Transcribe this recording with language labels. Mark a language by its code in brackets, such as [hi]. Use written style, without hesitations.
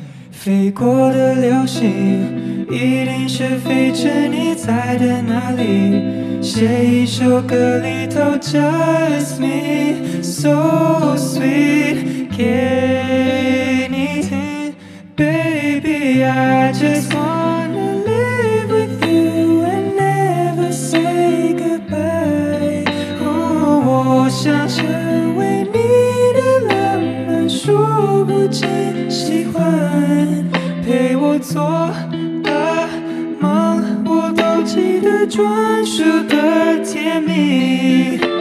[zh] 飞过的流星，一定是飞至你在的那里，写一首歌里头 [en] just me so sweet [zh] 给你听。 [en] Baby, I just wanna live with you and never say goodbye. [zh] Oh, 我想成为你的浪漫，说不尽喜欢。陪我做的梦，我都记得专属的甜蜜。